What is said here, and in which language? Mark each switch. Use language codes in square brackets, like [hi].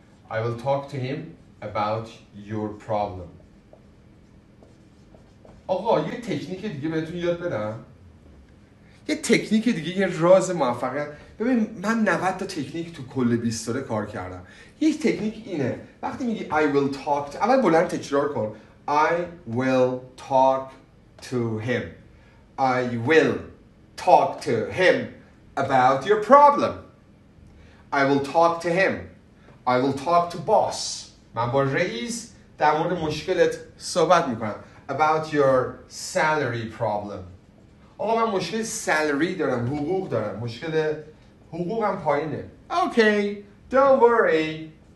[en] I will talk to him about your problem. [fa] آقا یه تکنیک دیگه بهتون یاد بدم. یه تکنیک دیگه یه راز موفقیت. ببین من 90 تا تکنیک تو کل 20 ساله کار کردم. یه تکنیک اینه. وقتی میگی [en] I will talk to [fa] اول بلند تکرار کن. [en] I will talk to him. I will talk to him about your problem. I will talk to him. I will talk to boss. [fa] من با رئیس در مورد مشکلت صحبت میکنم. [en] About your salary problem. [fa] آقا من مشکل salary دارم. حقوق دارم. مشکل حقوقم پایینه. [en] Okay. Don't worry.